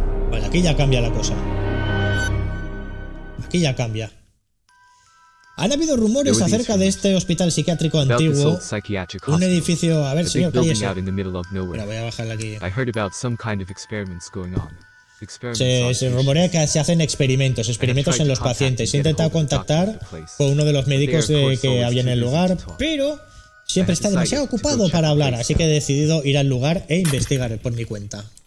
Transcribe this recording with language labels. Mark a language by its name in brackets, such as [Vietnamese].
[Spanish] Vale, aquí ya cambia la cosa. Aquí ya cambia. Han habido rumores acerca de este hospital psiquiátrico antiguo, un edificio, a ver, señor, cállese. Mira, voy a bajarla aquí. [English] I heard about some kind of experiments going on. [Spanish] Se rumorea que se hacen experimentos en los pacientes. He intentado contactar con uno de los médicos que había en el lugar, pero siempre está demasiado ocupado para hablar, así que he decidido ir al lugar e investigar por mi cuenta.